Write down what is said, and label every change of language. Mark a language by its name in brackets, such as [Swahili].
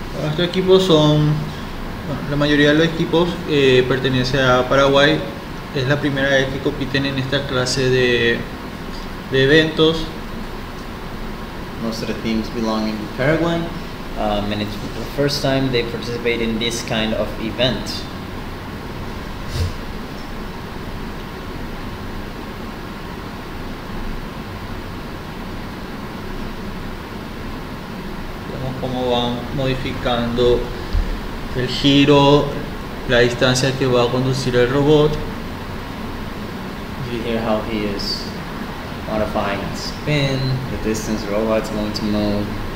[Spanish] Estos equipos son, bueno, la mayoría de los equipos pertenece a Paraguay, Es la primera vez que compiten en esta clase de eventos. [English] Most of the teams belong in Paraguay, and it's the first time they participate in this kind of event. [Spanish] Vemos cómo van modificando el giro, la distancia que va a conducir el robot. [English] You hear how he is modifying its spin, the distance robot's going to move.